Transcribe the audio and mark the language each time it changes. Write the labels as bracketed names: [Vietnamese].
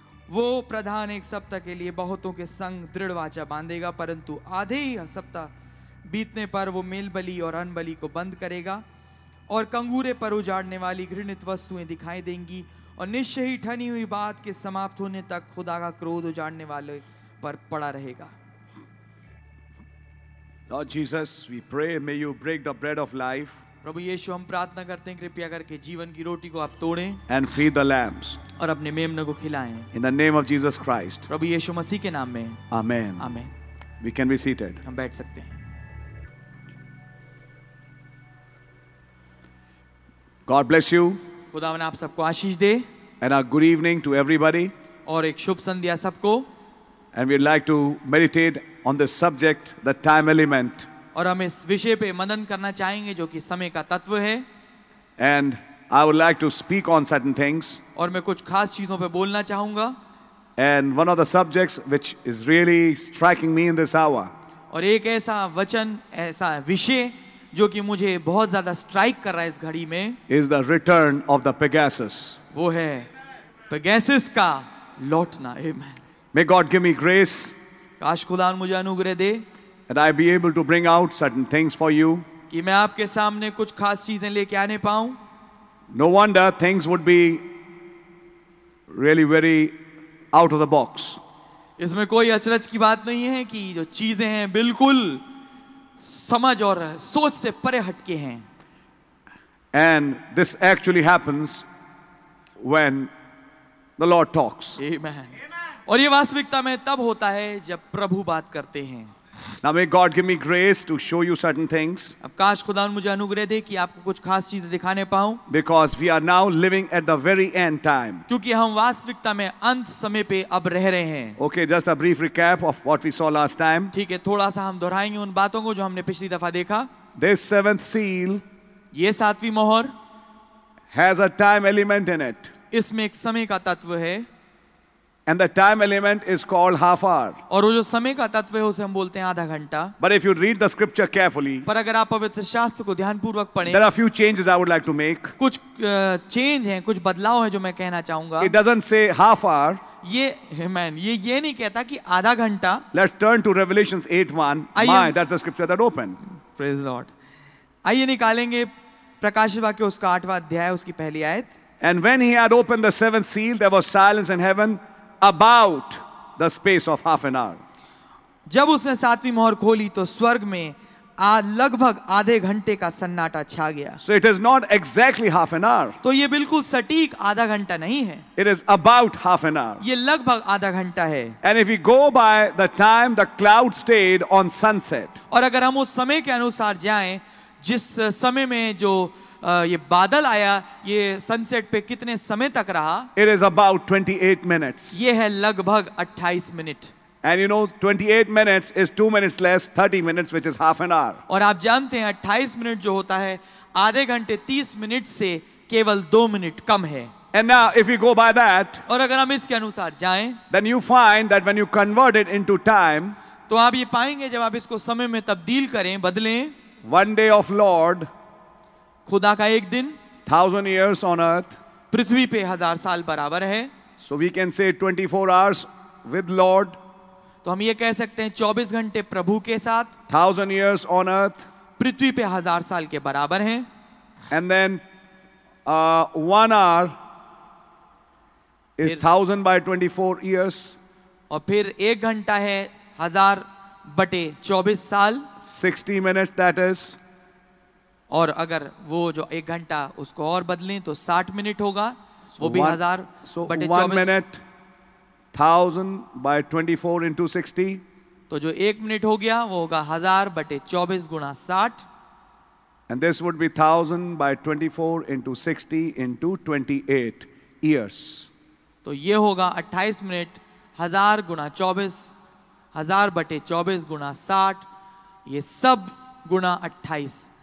[Hindi] वो प्रधान 1 सप्ताह के लिए बहुतों के संग दृढ़ वाचा बांधेगा, परंतु आधे ही सप्ताह बीतने पर वो मेलबलि और अनबलि को बंद करेगा, और कंगूरे पर उजाड़ने वाली घृणित वस्तुएँ दिखाई देंगी, और निश्चय ही ठनी हुई बात के समाप्त होने तक खुदा का क्रोध उजाड़ने वाले पर पड़ा रहेगा। [English] Lord Jesus, we pray, may you break the bread of life. [Hindi] प्रभु यीशु, हम प्रार्थना करते हैं कृपया करके जीवन की रोटी को आप तोड़ें। [English] And feed the lambs. [Hindi] और अपने मेमनों को खिलाएं। [English] In the name of Jesus Christ. [Hindi] प्रभु यीशु मसीह के नाम में। [English] Amen. Amen. We can be seated. [Hindi] हम बैठ सकते हैं। [English] God bless you. [Hindi] खुदावन आप सबको आशीष दे। [English] And a good evening to everybody. [Hindi] और एक शुभ संध्या सबको। [English] And we'd like to meditate on the subject, the time element. [Hindi] और हम इस विषय पे मनन करना चाहेंगे जो कि समय का तत्व है। [English] And I would like to speak on certain things. [Hindi] और मैं कुछ खास चीजों पे बोलना चाहूँगा। [English] And one of the subjects which is really striking me in this hour. [Hindi] और एक ऐसा वचन, ऐसा विषय जो कि मुझे बहुत ज़्यादा strike कर रहा है इस घड़ी में. [English] Is the return of the Pegasus. [Hindi] वो है Pegasus का लौटना. [English] Amen. May God give me grace. [Hindi] काश खुदा मुझे अनुग्रह दे. [English] And I be able to bring out certain things for you. [Hindi] कि मैं आपके सामने कुछ खास चीजें लेके आने पाऊं. [English] No wonder things would be really very out of the box. [Hindi] इसमें कोई अचरज की बात नहीं है कि जो चीजें हैं बिल्कुल समझ और सोच से परे हटके हैं. [English] And this actually happens when the Lord talks. Amen. [Hindi] और ये वास्तविकता में तब होता है जब प्रभु बात करते हैं. [English] Now may God give me grace to show you certain things. [Hindi] अब काश खुदा मुझे अनुग्रह दे कि आपको कुछ खास चीजें दिखाने पाऊं. [English] Because we are now living at the very end time. [Hindi] क्योंकि हम वास्तविकता में अंत समय पे अब रह रहे हैं. [English] Okay, just a brief recap of what we saw last time. [Hindi] ठीक है, थोड़ा सा हम दोहराएंगे उन बातों को जो हमने पिछली दफा देखा. [English] This seventh seal. [Hindi] ये सातवीं मोहर. [English] Has a time element in it. [Hindi] इसमें एक समय का तत्व है. [English] And the time element is called half hour. [Hindi] और वो जो समय का तत्व है उसे हम बोलते हैं आधा घंटा. [English] But if you read the scripture carefully, [Hindi] पर अगर आप पवित्र शास्त्र को ध्यानपूर्वक पढ़ें, [English] there are a few changes I would like to make. [Hindi] कुछ change हैं, कुछ बदलाव हैं जो मैं कहना चाहूँगा. [English] It doesn't say half hour. [Hindi] ये amen. ये नहीं कहता कि आधा घंटा. [English] Let's turn to Revelations 8:1. My, that's the scripture that opened. Praise the Lord. [Hindi] आइए निकालेंगे प्रकाशवाक्य उसका आठवां अध्याय उसकी पहली आयत. [English] And when he had opened the seventh seal, there was silence in heaven. About the space of half an hour. [Hindi] जब उसने सातवीं मोहर खोली तो स्वर्ग में लगभग आधे घंटे का सन्नाटा छा गया. [English] So it is not exactly half an hour. [Hindi] तो ये बिल्कुल सटीक आधा घंटा नहीं है. [English] It is about half an hour. [Hindi] ये लगभग आधा घंटा है. [English] And if we go by the time the cloud stayed on sunset. [Hindi] और अगर हम उस समय के अनुसार जाएं, जिस समय में जो ये बादल आया ये सनसेट पे कितने समय तक रहा. [English] It is about 28 minutes. [Hindi] ये है लगभग 28 minute. [English] And you know 28 minutes is 2 minutes less 30 minutes which is half an hour. [Hindi] और आप जानते हैं 28 मिनट जो होता है आधे घंटे 30 मिनट से केवल 2 मिनट कम है. [English] And now if you go by that. [Hindi] और अगर हम इसके अनुसार जाएं. [English] Then you find that when you convert it into time. [Hindi] तो आप ये पाएंगे जब आप इसको समय में तब्दील करें बदलें. [English] One day of Lord. [Hindi] खुदा का एक दिन. [English] 1000 years on earth. [Hindi] पृथ्वी पे हजार साल बराबर है. [English] So we can say 24 hours with Lord. [Hindi] तो हम ये कह सकते हैं 24 घंटे प्रभु के साथ. [English] 1000 years on earth. [Hindi] पृथ्वी पे हजार साल के बराबर है. [English] And then 1 hour is 1000 by 24 years. [Hindi] और फिर एक घंटा है हजार बटे 24 साल. [English] 60 minutes that is. [Hindi] और अगर वो जो एक घंटा उसको और बदलें तो 60 मिनट होगा. वो भी हजार बटे 24. [English] 1000 by 24 into 60. [Hindi] तो जो एक मिनट हो गया वो होगा हजार बटे 24 गुना 60. [English] And this would be 1000 by 24 into 60 into 28 years. [Hindi] तो ये होगा 28 मिनट हजार गुना 24 हजार बटे 24 गुना 60 ये सब गुना 28.